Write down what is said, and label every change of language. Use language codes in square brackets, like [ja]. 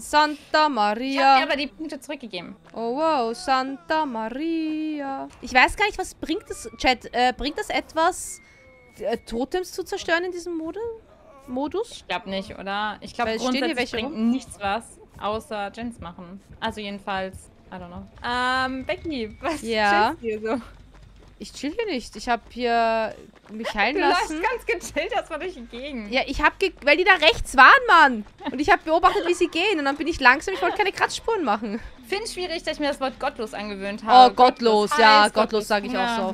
[de] Santa Maria. Ich habe dir aber die Punkte zurückgegeben. Oh wow, Santa Maria. Ich weiß gar nicht, was bringt das, Chat? Bringt das etwas... Totems zu zerstören in diesem Modus? Ich glaube nicht, oder? Ich glaube, grundsätzlich bringt nichts was. außer Gents machen. Also jedenfalls, [en] I don't know. [de] Becky, was chillst du hier so? Ich chill hier nicht. Ich hab hier mich heilen lassen. Du läufst ganz gechillt, das war durch die Gegend. Ja, ich hab, weil die da rechts waren, Mann. Und ich hab beobachtet, wie sie gehen. Und dann bin ich langsam, ich wollte keine Kratzspuren machen. Find schwierig, dass ich mir das Wort gottlos angewöhnt habe. Oh, gottlos, gottlos ja, gottlos, gottlos sage ich auch so oft.